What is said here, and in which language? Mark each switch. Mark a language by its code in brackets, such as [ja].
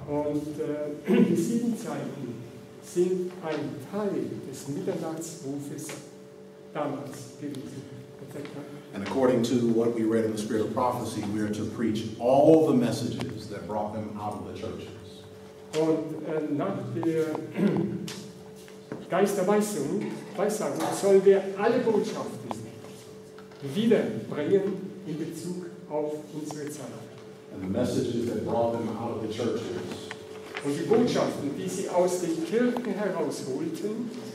[en] And the seven times are a part of the midnight cry. And according to what we read in the Spirit of Prophecy, we are to preach all the messages that brought them out of the churches. [de] Und nach der Geisterweissagung sollen wir alle Botschaften wiederbringen in Bezug auf unsere Zeit. [en] And the messages that brought them out of the churches. [de] Und die Botschaften, die sie aus den Kirchen herausholten,